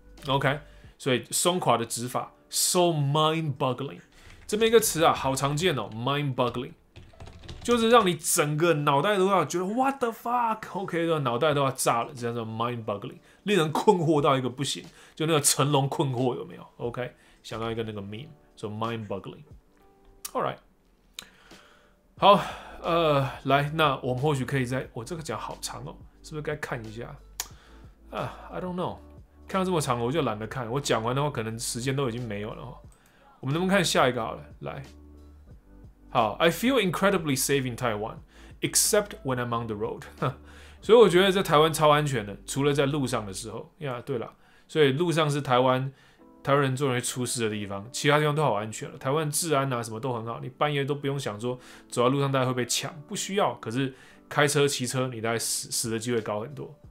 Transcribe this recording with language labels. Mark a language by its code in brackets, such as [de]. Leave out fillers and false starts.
[zh] OK， 所以松垮的执法。So mind-boggling， 这边一个词啊，好常见哦 ，mind-boggling， 就是让你整个脑袋都要觉得 [en] what the fuck， [zh] OK，、okay, 的脑袋都要炸了，这样叫 mind-boggling， 令人困惑到一个不行，就那个成龙困惑有没有 ？OK， 想到一个那个 meme， 说、so、mind-boggling。 All right， 好，来，那我们或许可以在，我、哦、这个讲好长哦，是不是该看一下？ [en] I don't know。 [zh] 看到这么长，我就懒得看。我讲完的话，可能时间都已经没有了。我们能不能看下一个好了？ [en] 来，好 ，I feel incredibly safe in Taiwan, except when I'm on the road。 [zh] 所以我觉得在台湾超安全的，除了在路上的时候。呀、yeah, ，对了，所以路上是台湾人最容易出事的地方，其他地方都好安全了。台湾治安啊，什么都很好，你半夜都不用想说走在路上大家会被抢，不需要。可是开车、骑车，你大概死的机会高很多。